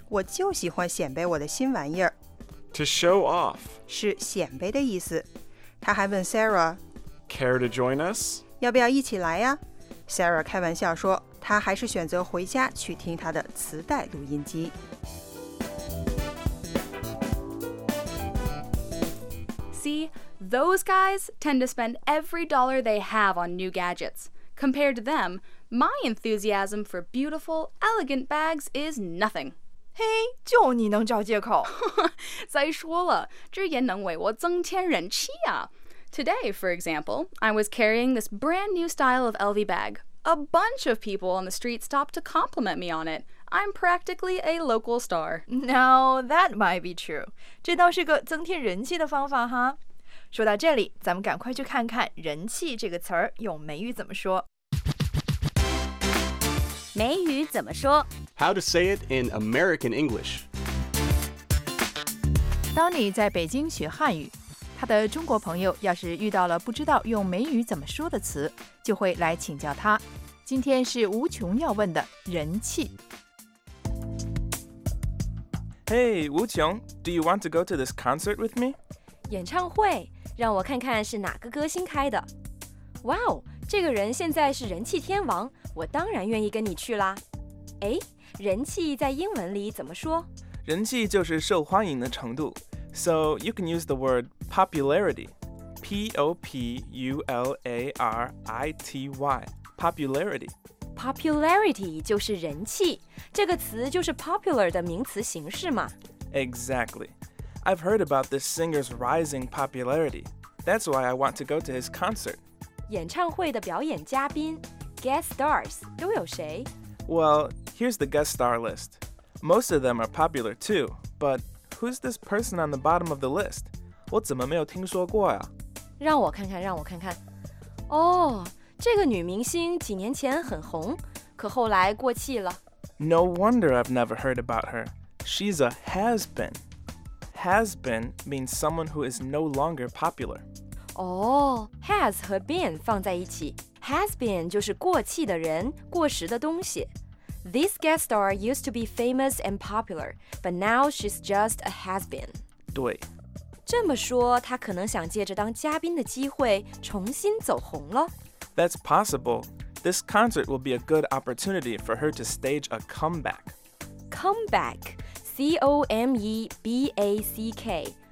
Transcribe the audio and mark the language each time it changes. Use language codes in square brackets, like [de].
[zh] 我就喜欢显摆我的新玩意儿。 [en] To show off. [zh] 是显摆的意思。他还问 Sarah, [en] Care to join us? [zh] 要不要一起来呀 ?Sarah 开玩笑说他还是选择回家去听他的磁带录音机。 [en] See, those guys tend to spend every dollar they have on new gadgets. Compared to them, my enthusiasm for beautiful, elegant bags is nothing. [zh] Hey, 就你能找借口。再说了，这也能为我增添人气啊。 [en] Today, for example, I was carrying this brand new style of LV bag. A bunch of people on the street stopped to compliment me on it. I'm practically a local star. Now, that might be true. [zh] 这倒是个增添人气的方法哈。说到这里，咱们赶快去看看人气这个词儿用美语怎么说。美语怎么说 [en] ?How to say it in American English. [zh] Donny 在北京学汉语，他的中国朋友要是遇到了不知道用美语怎么说的词，就会来请教他。今天是无穷要问的人气。 [en] Hey, Wu Qiong, do you want to go to this concert with me? [zh] 演唱会，让我看看是哪个歌星开的。Wow, 这个人现在是人气天王，我当然愿意跟你去啦。哎，人气在英文里怎么说？人气就是受欢迎的程度。 [en] So you can use the word popularity, P-O-P-U-L-A-R-I-T-Y, popularity. [zh] Popularity 就是人气，这个词就是 popular 的名词形式嘛。 [en] Exactly. I've heard about this singer's rising popularity. That's why I want to go to his concert. [zh] 演唱会的表演嘉宾 ,guest stars, 都有谁？ [en] Well, here's the guest star list. Most of them are popular too, but who's this person on the bottom of the list? [zh] 我怎么没有听说过呀？让我看看，让我看看。 Oh,这个女明星几年前很红，可后来过气了。 [en] No wonder I've never heard about her. She's a has-been. Has-been means someone who is no longer popular. [zh] Has 和 been 放在一起。Has-been 就是过气的人，过时的东西。 [en] This guest star used to be famous and popular, but now she's just a has-been. [zh] 对。这么说，她可能想借着当嘉宾的机会重新走红了。 [en] That's possible. This concert will be a good opportunity for her to stage a comeback. Comeback, C-O-M-E-B-A-C-K.